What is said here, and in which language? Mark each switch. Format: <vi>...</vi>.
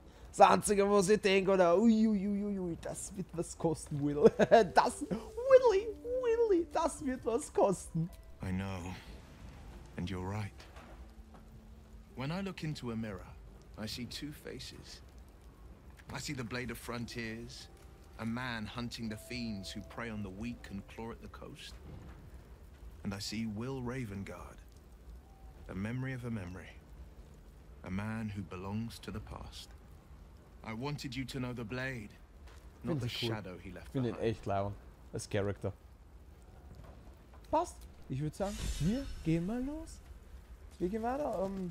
<de>Das Einzige, was ich denke, oder uiuiuiui, das wird was kosten, Willy. Das, Willy, das wird was kosten.</de> <en>I know. And you're right. When I look into a mirror, I see two faces. I see the Blade of Frontiers, a man hunting the fiends who prey on the weak and claw at the coast. And I see Will Ravengard, a memory of a memory, a man who belongs to the past. I wanted you to know the blade, not the shadow he left behind.</en> <de>Find it echt Leon, as character. Passt. Ich würde sagen, wir gehen mal los. Wir gehen weiter.</de>